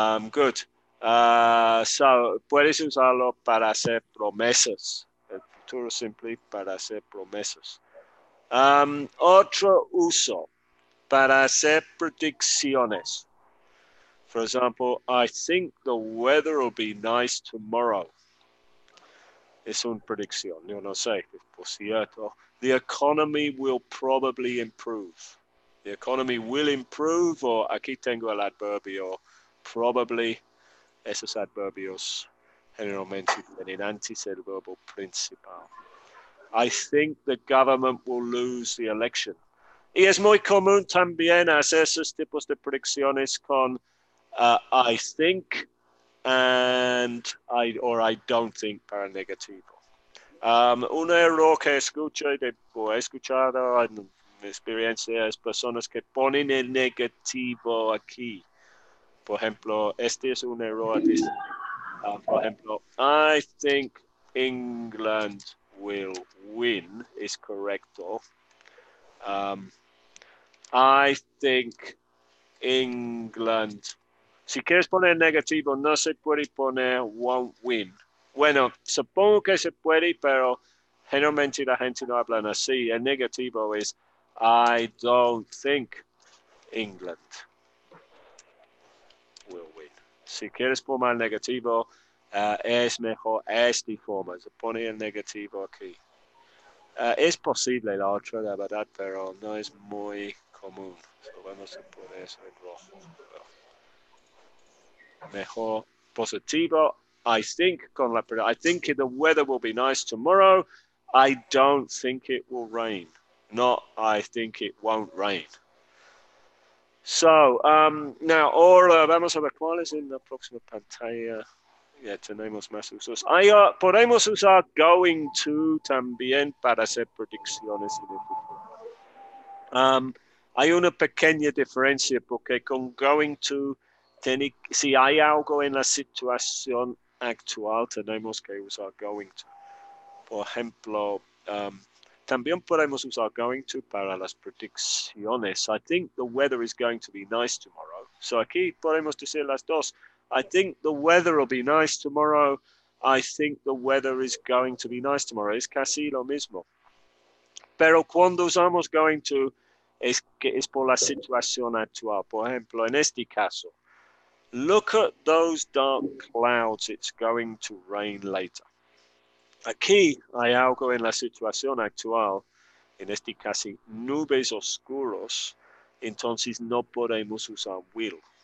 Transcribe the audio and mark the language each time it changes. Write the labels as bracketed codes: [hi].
[en] Good. So, [es] puedes usarlo para hacer promesas. El futuro [en] simply [es] para hacer promesas. Otro uso, para hacer predicciones. [en] For example, I think the weather will be nice tomorrow. [es] Es una predicción, yo no sé, por cierto. [en] The economy will probably improve. The economy will improve, [es] o aquí tengo el adverbio, probably. Esos adverbios generalmente tienen antes el verbo principal. [en] I think the government will lose the election. [es] Y es muy común también hacer esos tipos de predicciones con [en] I think and I don't think [es] para negativo. Un error que he escuchado en mi experiencia es personas que ponen el negativo aquí. Por ejemplo, este es un error. Por ejemplo, [en] I think England will win is [es] correcto. [en] I think England. [es] Si quieres poner negativo, no se puede poner [en] won't win. [es] Bueno, supongo que se puede, pero generalmente la gente no habla así. El negativo es [en] I don't think England will win. [es] Si quieres poner negativo, es mejor esta forma. Se pone el negativo aquí. Es posible la otra, la verdad, pero no es muy común. So vamos a poner eso en rojo. Well, mejor positivo. [en] I think [es] con la [en] I think the weather will be nice tomorrow. I don't think it will rain. Not I think it won't rain. So, now, [es] ahora vamos a ver cuál es en la próxima pantalla. Yeah, tenemos más usos. Podemos usar going to también para hacer predicciones en el futuro. Hay una pequeña diferencia porque con going to, si hay algo en la situación actual, tenemos que usar going to. Por ejemplo, también podemos usar going to para las predicciones. [en] I think the weather is going to be nice tomorrow. [es] So aquí podemos decir las dos. [en] I think the weather will be nice tomorrow. I think the weather is going to be nice tomorrow. [es] Es casi lo mismo. Pero cuando usamos going to, es por la situación actual. Por ejemplo, en este caso, [en] look at those dark clouds. It's going to rain later. [es] Aquí hay algo en la situación actual, en este caso, nubes oscuros, entonces no podemos usar will.